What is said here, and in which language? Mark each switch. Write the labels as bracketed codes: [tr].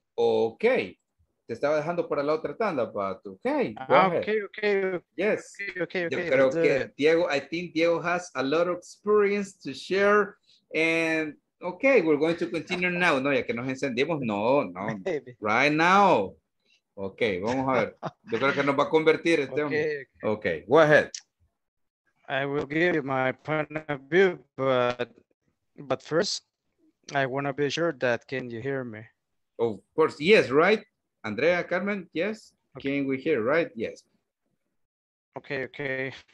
[es] Okay. Te estaba dejando para la otra tanda, [en] but okay. Okay. Yes. [es] Okay. Yo creo [en] que Diego, I think Diego has a lot of experience to share and okay, we're going to continue now. [es] No, ya que nos encendimos. No. [en] Maybe. Right now. [es] Okay, vamos a ver. Yo creo que nos va a convertir este hombre. [en] Okay, go ahead. I will give you my point of view, but first, I want to be sure that can you hear me? Of course, yes, right? Andrea, Carmen, yes? Okay. Can we hear, right? Yes. Okay.